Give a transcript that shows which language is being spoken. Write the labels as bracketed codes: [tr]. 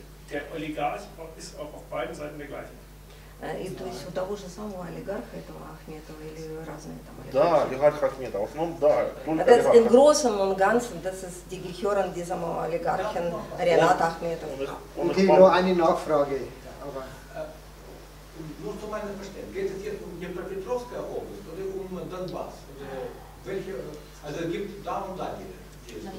[de] Der Oligarch ist auch auf beiden Seiten der gleiche. [ru] И то есть у того же самого олигарха этого Ахметова или разные там олигархи? Да, олигарх Ахметов. В основном, да. [de] Das in großem und ganzen, das ist die gehören diesem Oligarchen Ренат Ахметов. Okay, nur eine Nachfrage. Aber, nur zu meinem Verständnis, geht es hier um Dnipropetrovskaya Oblast oder um Донбасс? Welche, also gibt es da und da hier?